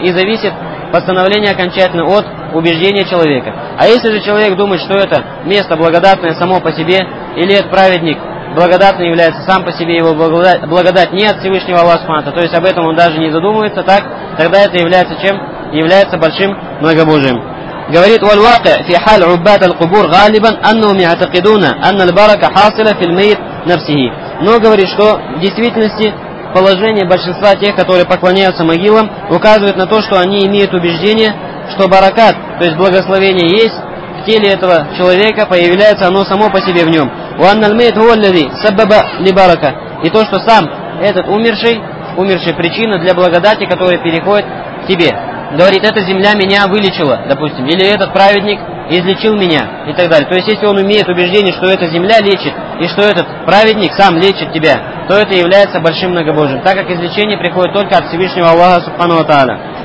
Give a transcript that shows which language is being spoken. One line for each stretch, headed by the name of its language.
Russian: И зависит постановление окончательно от убеждения человека. А если же человек думает, что это место благодатное само по себе, или этот праведник благодатный является сам по себе, его благодать не от Всевышнего Аллаха, то есть об этом он даже не задумывается, так, тогда это является чем? Является большим многобожием. Говорит,
Arabic: والواقع في حال عباد القبور غالبا انهم يعتقدون ان البركه حاصله في الميت نفسه.
Russian: Но говорит, что в действительности положение большинства тех, которые поклоняются могилам, указывает на то, что они имеют убеждение, что баракат, то есть благословение, есть в теле этого человека, появляется оно само по себе в нем.
Arabic: وان الميت هو الذي سبب لبركه.
Russian: И то, что сам этот умерший причина для благодати, которая переходит к тебе. Говорит, эта земля меня вылечила, допустим, или этот праведник излечил меня, и так далее. То есть, если он имеет убеждение, что эта земля лечит, и что этот праведник сам лечит тебя, то это является большим многобожием, так как излечение приходит только от Всевышнего Аллаха Субхану Тааля.